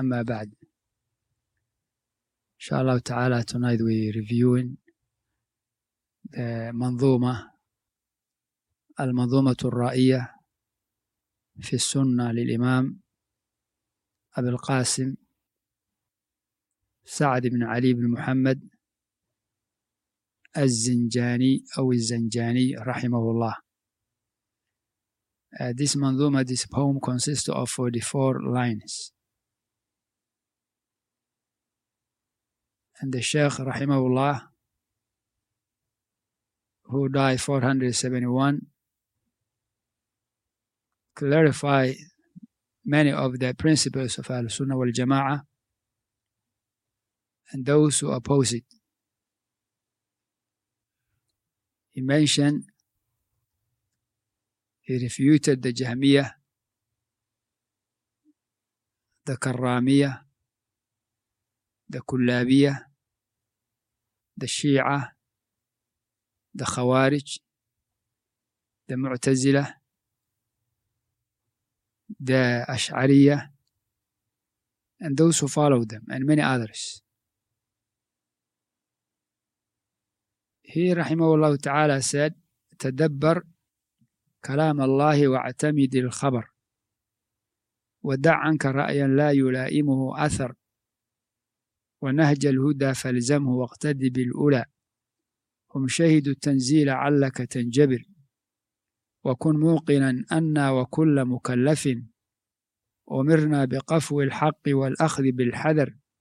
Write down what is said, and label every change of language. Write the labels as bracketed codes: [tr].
[ar] أما بعد، إن شاء الله تعالى [en] tonight we reviewing the [ar] منظومة، المنظومة الرائية في السنة للإمام أبي القاسم سعد بن علي بن محمد الزنجاني أو الزنجاني رحمه الله. [en] This manzuma, this poem consists of 44 lines. And the Sheikh Rahimahullah, who died 471, clarify many of the principles of Al-Sunnah wal-Jama'ah and those who oppose it. He mentioned, he refuted the Jahmiya, the Karramiya, the Kullabiya, the Shia, the Khawarij, the Mu'tazila, the Ash'ariya, and those who followed them, and many others. Here, Rahimahullah Ta'ala said, [ar] تدبر كلام الله واعتمد الخبر ودع عنك رأيا لا يلائمه أثر ونهج الهدى فالزمه واقتد بالأولى هم شهدوا التنزيل علك تنجبر وكن موقنا أنا وكل مكلف أمرنا بقفو الحق والأخذ بالحذر